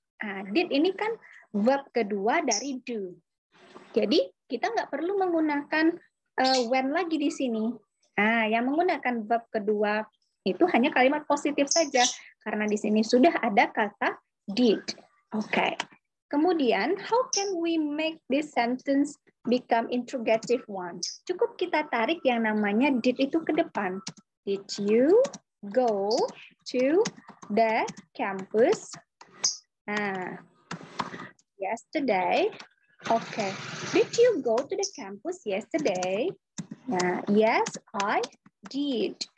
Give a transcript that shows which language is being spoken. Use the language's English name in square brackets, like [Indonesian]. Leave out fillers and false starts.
[Indonesian] Nah, did ini kan verb kedua dari do. Jadi kita nggak perlu menggunakan when lagi di sini. Nah, yang menggunakan verb kedua itu hanya kalimat positif saja karena di sini sudah ada kata did. Oke. Kemudian, [English] how can we make this sentence become interrogative one? [Indonesian] Cukup kita tarik yang namanya did itu ke depan. [English] Did you go to the campus yesterday? Okay. Did you go to the campus yesterday? Yes, I did.